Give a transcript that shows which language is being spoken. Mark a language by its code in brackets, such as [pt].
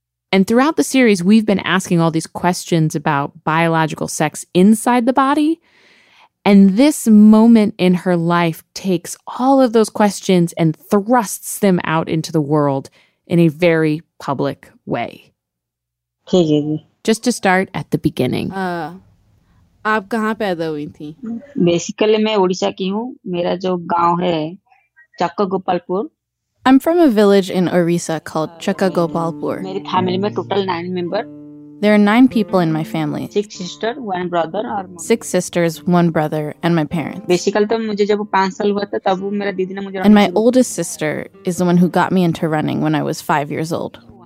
[en] And throughout the series, we've been asking all these questions about biological sex inside the body. And this moment in her life takes all of those questions and thrusts them out into the world in a very public way. Just to start at the beginning. [hi] आप कहाँ पैदा हुई थी? Basically, मैं उड़ीसा की हूँ. मेरा जो गांव है, चक्कगोपालपुर. [en] I'm from a village in Orissa called Chakkagopalpur. [hi] मेरी फैमिली में total 9 member. [en] There are 9 people in my family. 6 sisters, 1 brother. 6 sisters, 1 brother, and my parents. [hi] Basically, तो मुझे जब 5 साल हुआ था, तब मेरा दीदी ने मुझे. [en] And my oldest sister is the one who got me into running when I was 5 years old.